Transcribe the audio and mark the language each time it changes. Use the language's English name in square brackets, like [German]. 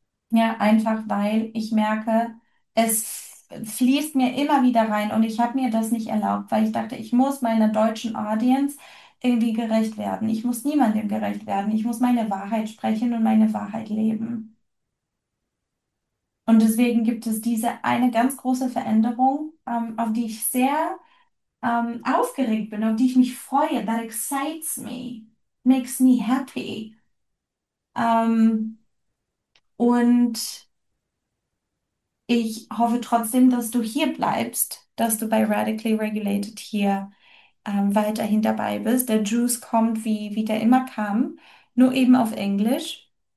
[German] Ja, einfach weil ich merke, es fließt mir immer wieder rein und ich habe mir das nicht erlaubt, weil ich dachte, ich muss meiner deutschen Audience irgendwie gerecht werden. Ich muss niemandem gerecht werden. Ich muss meine Wahrheit sprechen und meine Wahrheit leben. Und deswegen gibt es diese eine ganz große Veränderung, auf die ich sehr aufgeregt bin, auf die ich mich freue. [English] That excites me, makes me happy. [German] Und ich hoffe trotzdem, dass du hier bleibst, dass du bei Radically Regulated hier weiterhin dabei bist. Der Juice kommt, wie der immer kam, nur eben auf Englisch.